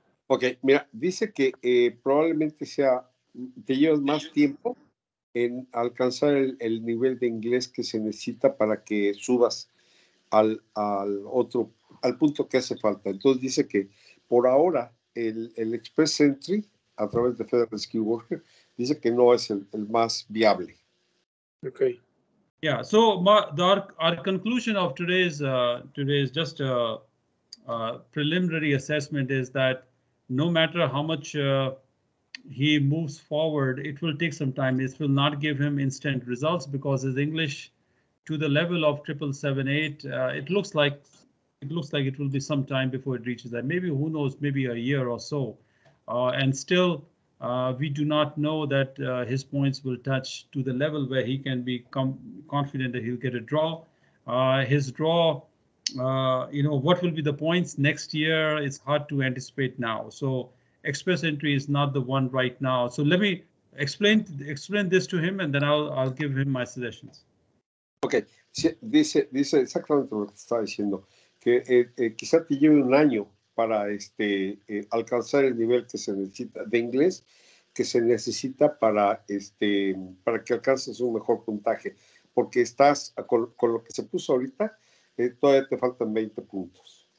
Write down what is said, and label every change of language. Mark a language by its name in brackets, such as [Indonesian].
[Spanish] Okay, mira, dice que probablemente sea, te llevas más tiempo en alcanzar el nivel de inglés que se necesita para que subas al otro, al punto que hace falta. Entonces dice que por ahora el express entry a través de Federal Skill Worker dice que no es el más viable. [English] Okay. Yeah, so our conclusion of today's just a preliminary assessment is that no matter how much he moves forward, it will take some time. This will not give him instant results because his English to the level of 7778, it looks like it will be some time before it reaches that. Maybe, who knows, maybe a year or so. And still, we do not know that his points will touch to the level where he can be confident that he'll get a draw. His draw, what will be the points next year? It's hard to anticipate now. So express entry is not the one right now. So let me explain this to him, and then I'll give him my suggestions. [Spanish] Okay, dice exactamente lo que está diciendo, que quizá te lleve un año para alcanzar el nivel que se necesita de inglés, que se necesita para para que alcances un mejor puntaje, porque estás con lo que se puso ahorita, todavía te faltan 20 puntos.